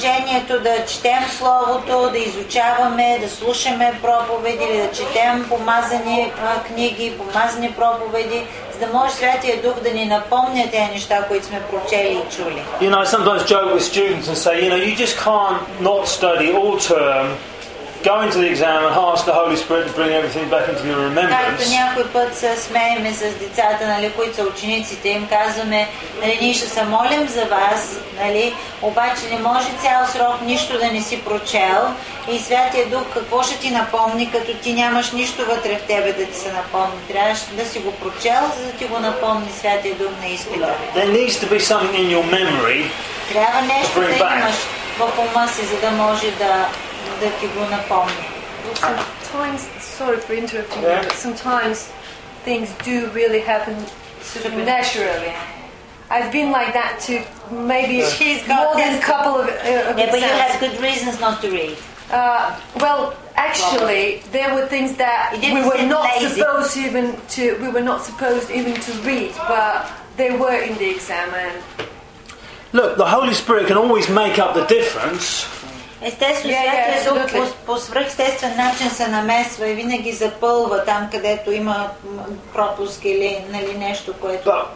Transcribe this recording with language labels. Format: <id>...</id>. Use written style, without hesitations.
<bg>Задължението да четем словото, да изучаваме, да слушаме проповеди или да четем помазани книги, помазани проповеди, за да може Святия Дух да ни напомня тези неща, които сме прочели и чули.</bg> <en>You know, I sometimes joke with students and say, you know, you just can't not study all term. Go into the exam and ask the Holy Spirit to bring everything back into your remembrance.</en> <bg>Както някой път се смееме с децата, нали, които са учениците, им казваме, нали, ние ще се молим за вас, нали, обаче не може цял срок нищо да не си прочел. И Святия Дух какво ще ти напомни, като ти нямаш нищо вътре в тебе да ти се напомни? Трябваш да си го прочел, за да ти го напомни Святия Дух на изпита.</bg> <en>There needs to be something in your memory.</en> <bg>Трябва нещо да имаш в ума си, за да може да</bg> <en>Sometimes, sorry for interrupting you, but sometimes things do really happen supernaturally. I've been like that to maybe more than a couple of examples. Yeah, but you had good reasons not to read. Well, actually, there were things that we were not supposed even to read, but they were in the exam. And look, the Holy Spirit can always make up the difference.</en> <bg>Естествено, Святия Дух по свръхестествен начин се намесва и винаги запълва там, където има пропуск или нали, нещо, което...</bg>